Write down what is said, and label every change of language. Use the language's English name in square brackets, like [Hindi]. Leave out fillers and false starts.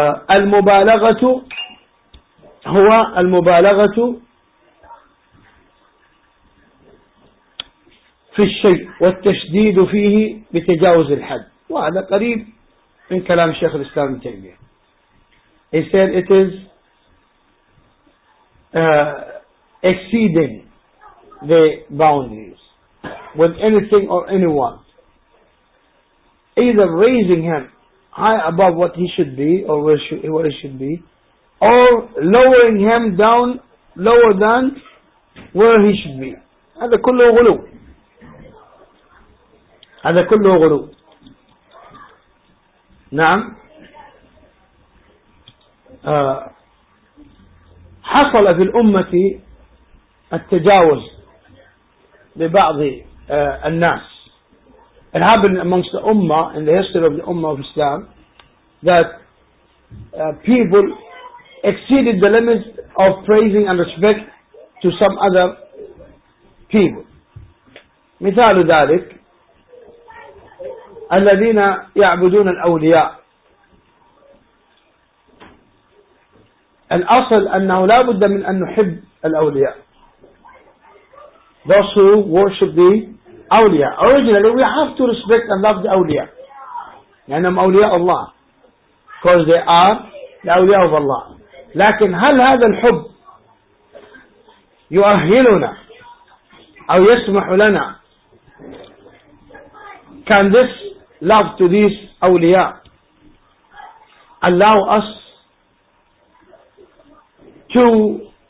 [Arabic] المبالغة، هو المبالغة في الشيء والتشديد فيه بتجاوز الحد. وهذا قريب من كلام الشيخ الإسلام ابن تيمية. [English] He said it is exceeding the boundaries. with anything or anyone. Either raising him high above what he should be or what he should be, or lowering him down lower than where he should be. [Arabic] هذا كله غلو. هذا كله غلو. نعم. حصل في الأمة التجاوز لبعض الناس. [English] It happened amongst the Ummah in the history of the Ummah of Islam that people exceeded the limits of praising and respect to some other people. [Arabic] مثال ذلك الذين يعبدون الأولياء. الأصل أنه لا بد من أن نحب الأولياء. [English] Those who worship the أولياء. Originally we have to respect and love the أولياء. [Arabic] لأنهم أولياء الله. [English] Because they are the أولياء of Allah. [Arabic] لكن هل هذا الحب يؤهلنا أو يسمح لنا؟ [English] Can this love to these أولياء allow us to